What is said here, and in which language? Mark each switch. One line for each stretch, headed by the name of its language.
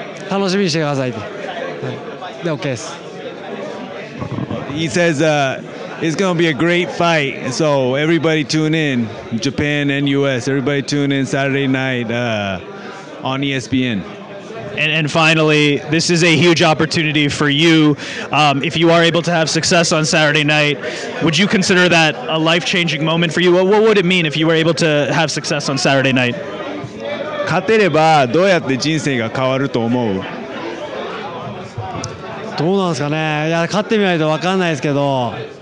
Japanese: 日本のファンに向けたい言葉は?見せたい言葉。え、いやもう、楽しみにしてください。で、OK です。
English: He says it's going to be a great fight, so everybody tune in, Japan and U.S. Everybody tune in Saturday night on ESPN. And finally, this is a huge opportunity for you. If you are able to have success on Saturday night, would you consider that a life-changing moment for you? What would it mean if you were able to have success on Saturday night?
Japanese: 勝てればどうやって人生が変わると思う? どうなんですかね? いや、勝ってみないと分かんないですけど。